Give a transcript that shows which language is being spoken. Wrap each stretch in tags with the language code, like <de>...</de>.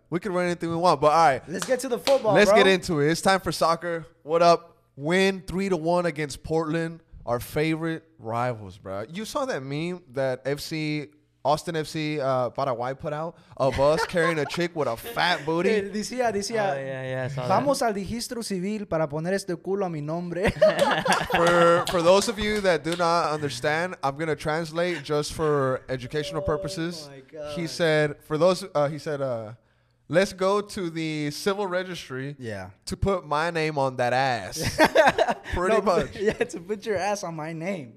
<en>We could wear anything we want, but all right. Let's get to the football, Let's get into it. It's time for soccer. What up? Win 3-1 against Portland, our favorite rivals, bro. You saw that meme that Austin FC Paraguay put out of us carrying a chick with a fat booty.</en> <es>Decía, vamos al registro civil para poner este culo a mi nombre.</es> <en>For those of you that do not understand, I'm going to translate just for educational purposes. Oh my God. He said, let's go to the civil registry to put my name on that ass. Pretty much. Yeah, to put your ass on my name.</en>